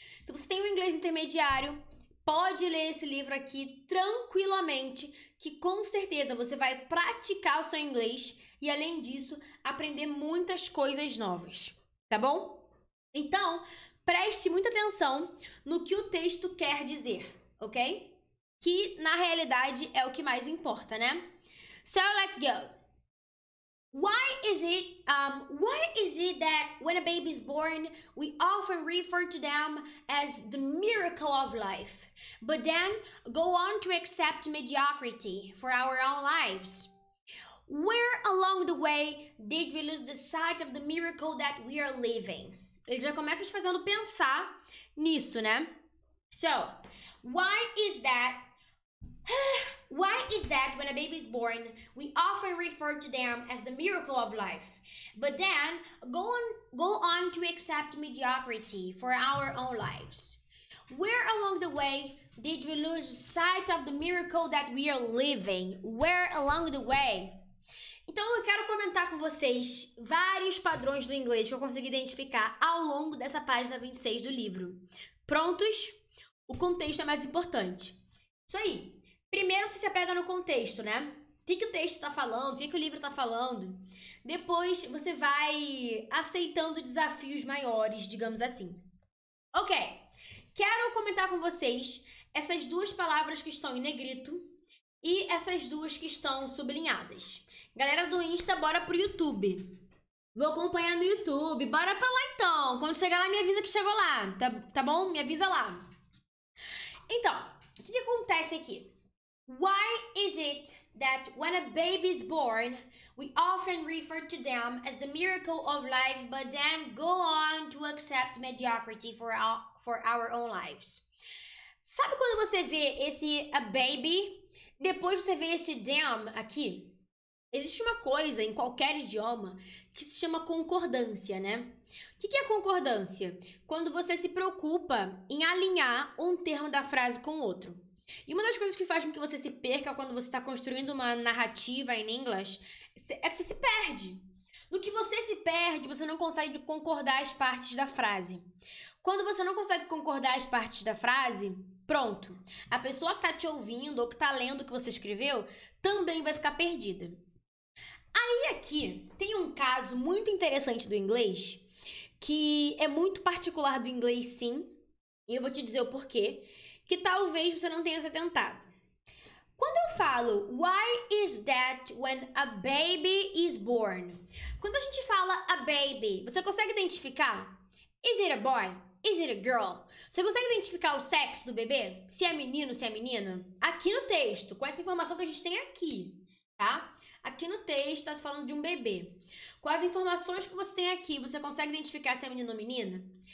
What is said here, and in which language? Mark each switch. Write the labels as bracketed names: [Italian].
[Portuguese] Se você tem um inglês intermediário, pode ler esse livro aqui tranquilamente, que com certeza você vai praticar o seu inglês e, além disso, aprender muitas coisas novas. Tá bom? Então, preste muita atenção no que o texto quer dizer, ok? Que, na realidade, é o que mais importa, né? [English] So, let's go. Why is it that when a baby is born, we often refer to them as the miracle of life, but then go on to accept mediocrity for our own lives? Where along the way did we lose the sight of the miracle that we are living? [Portuguese] Ele já começa te fazendo pensar nisso, né? [English] So, why is that when a baby is born, we often refer to them as the miracle of life, but then go on to accept mediocrity for our own lives? Where along the way did we lose sight of the miracle that we are living? Where along the way? [Portuguese] Então, eu quero comentar com vocês vários padrões do inglês que eu consegui identificar ao longo dessa página 26 do livro. Prontos? O contexto é mais importante. Isso aí. Primeiro você se apega no contexto, né? O que o texto tá falando? O que o livro tá falando? Depois você vai aceitando desafios maiores, digamos assim. Ok. Quero comentar com vocês essas duas palavras que estão em negrito e essas duas que estão sublinhadas. Galera do Insta, bora pro YouTube. Vou acompanhar no YouTube. Bora pra lá então. Quando chegar lá, me avisa que chegou lá. Tá bom? Me avisa lá. Então, o que acontece aqui? [English] Why is it that when a baby is born, we often refer to them as the miracle of life, but then go on to accept mediocrity for our own lives? [Portuguese] Sabe quando você vê esse [English] a baby, [Portuguese] depois você vê esse them aqui? Existe uma coisa em qualquer idioma que se chama concordância, né? O que é concordância? Quando você se preocupa em alinhar um termo da frase com outro. E uma das coisas que faz com que você se perca quando você está construindo uma narrativa em inglês É que você se perde. No que você se perde, você não consegue concordar as partes da frase. Quando você não consegue concordar as partes da frase, pronto. A pessoa que tá te ouvindo ou que tá lendo o que você escreveu também vai ficar perdida. Aí aqui tem um caso muito interessante do inglês, que é muito particular do inglês, sim, e eu vou te dizer o porquê, que talvez você não tenha se atentado. Quando eu falo [English] why is that when a baby is born? [Portuguese] Quando a gente fala [English] a baby, [Portuguese] você consegue identificar? [English] Is it a boy? Is it a girl? [Portuguese] Você consegue identificar o sexo do bebê? Se é menino, se é menina? Aqui no texto, com essa informação que a gente tem aqui, tá? Aqui no texto está se falando de um bebê. Com as informações que você tem aqui, você consegue identificar se é menino ou menina?